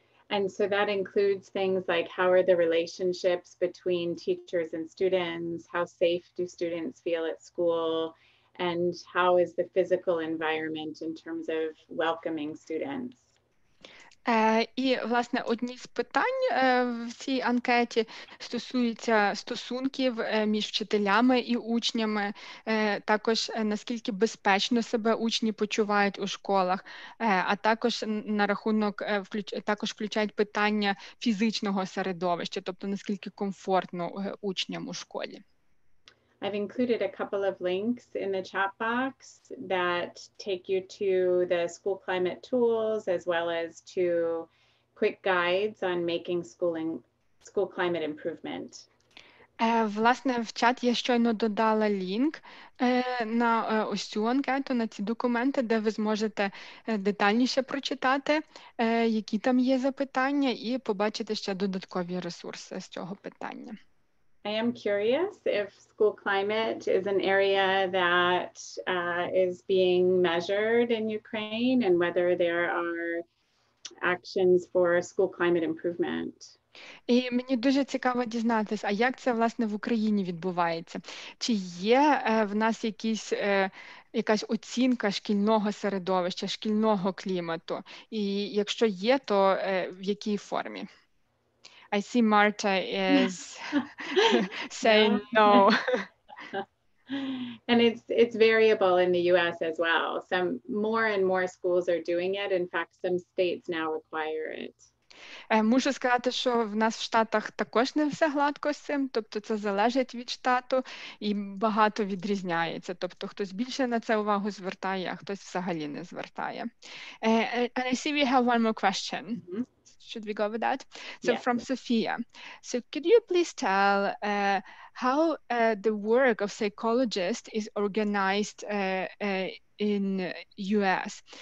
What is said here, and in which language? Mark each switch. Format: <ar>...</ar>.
<en>And so that includes things like how are the relationships between teachers and students, how safe do students feel at school, and how is the physical environment in terms of welcoming students.</en> <uk>І, власне, одні з питань в цій анкеті стосуються стосунків між вчителями і учнями, також наскільки безпечно себе учні почувають у школах, а також на рахунок також включають питання фізичного середовища, тобто наскільки комфортно учням у школі.</uk> <en>I've included a couple of links in the chat box that take you to the school climate tools, as well as to quick guides on making school climate improvement.</en> <uk>Власне, в чат я щойно додала лінк на ось цю анкету, на ці документи, де ви зможете детальніше прочитати, які там є запитання, і побачити ще додаткові ресурси з цього питання.</uk> <en>I am curious if school climate is an area that is being measured in Ukraine and whether there are actions for school climate improvement.</en> <uk>І мені дуже цікаво дізнатися, а як це, власне, в Україні відбувається? Чи є в нас якісь якась оцінка шкільного середовища, шкільного клімату. І якщо є, то в якій формі?</uk> <en>I see Marta is saying no. And it's variable in the US as well. Some more and more schools are doing it. In fact, some states now require it.</en> <uk>Можу сказати, що в нас в Штатах також не все гладко з цим, тобто це залежить від штату і багато відрізняється. Тобто хтось більше на це увагу звертає, а хтось взагалі не звертає.</uk> <en>And I see we have one more question. Mm-hmm. Should we go with that? So yeah. From Sophia. So could you please tell how the work of psychologists is organized in US?</en>